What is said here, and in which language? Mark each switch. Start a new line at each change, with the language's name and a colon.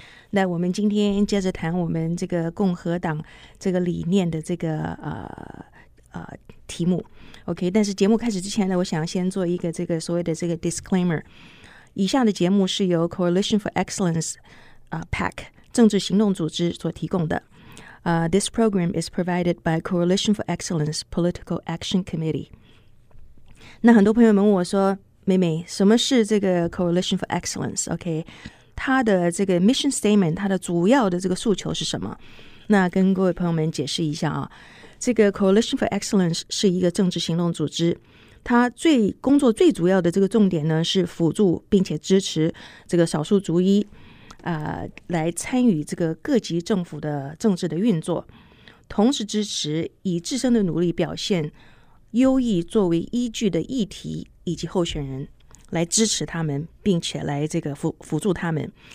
Chinese: 那我们今天接着谈我们这个共和党这个理念的这个题目。 OK， 但是节目开始之前呢，我想先做一个这个所谓的这个 disclaimer。以下的节目是由 Coalition for Excellence PAC 政治行动组织所提供的。
English: This program is provided by Coalition for Excellence Political Action Committee.
Chinese: 那很多朋友们问我说，妹妹，什么是这个 Coalition for Excellence? OK， 它的这个 mission statement， 它的主要的这个诉求是什么？那跟各位朋友们解释一下啊，这个 Coalition for Excellence 是一个政治行动组织，它最工作最主要的这个重点呢，是辅助并且支持这个少数族裔来参与这个各级政府的政治的运作，同时支持以自身的努力表现优异作为依据的议题以及候选人，来支持他们并且来这个辅助他们。